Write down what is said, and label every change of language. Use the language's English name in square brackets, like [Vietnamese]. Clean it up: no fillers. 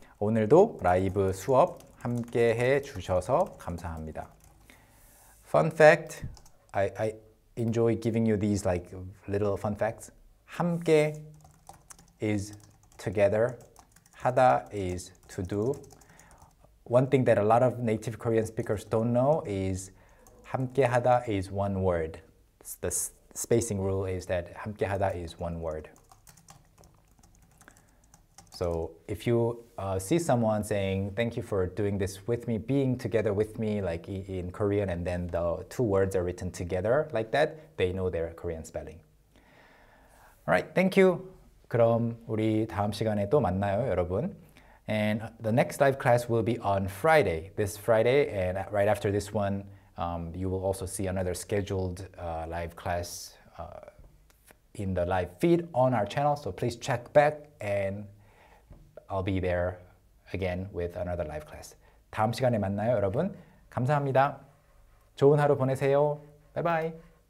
[Korean] 오늘도 라이브 수업 함께 해 주셔서 감사합니다. [English] Fun fact. I enjoy giving you these like little fun facts. 함께 is together. 하다 is to do. One thing that a lot of native Korean speakers don't know is 함께하다 is one word. The spacing rule is that 함께하다 is one word. So if you see someone saying thank you for doing this with me, being together with me, like in Korean, and then the two words are written together like that, they know their Korean spelling. All right, thank you. [Korean] 그럼 우리 다음 시간에 또 만나요, 여러분. [English] And the next live class will be on Friday, this Friday. And right after this one, you will also see another scheduled live class in the live feed on our channel. So please check back and I'll be there again with another live class. [Korean] 다음 시간에 만나요, 여러분. 감사합니다. 좋은 하루 보내세요. Bye-bye.